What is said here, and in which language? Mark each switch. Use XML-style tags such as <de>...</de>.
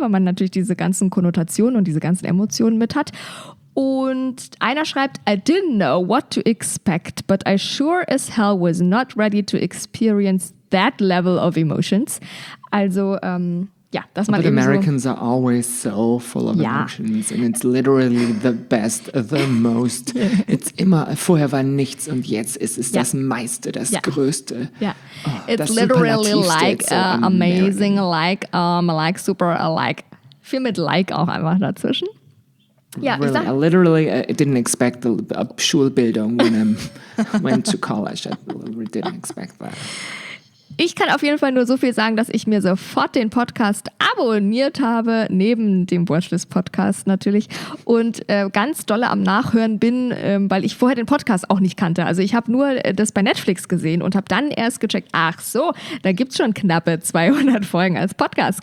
<de>Weil man natürlich diese ganzen Konnotationen und diese ganzen Emotionen mit hat. Und einer schreibt,</de> <en>I didn't know what to expect, but I sure as hell was not ready to experience that level of emotions.</en> <de>Also, dass man eben so.</de> <en>But Americans are always so full of emotions and it's literally the best, the most.</en> <de>It's immer, vorher war nichts und jetzt ist es das meiste, das größte.</de> <en>Yeah. Oh, it's literally like amazing, like super, like</en> <de>viel mit</de> <en>like</en> <de>auch einfach dazwischen.</de> <en>I didn't expect a Schulbildung when I went to college. I didn't expect that.</en> <de>Ich kann auf jeden Fall nur so viel sagen, dass ich mir sofort den Podcast abonniert habe, neben dem Watchlist-Podcast natürlich, und ganz dolle am Nachhören bin, weil ich vorher den Podcast auch nicht kannte. Also ich habe nur das bei Netflix gesehen und habe dann erst gecheckt, ach so, da gibt es schon knappe 200 Folgen als Podcast.</de>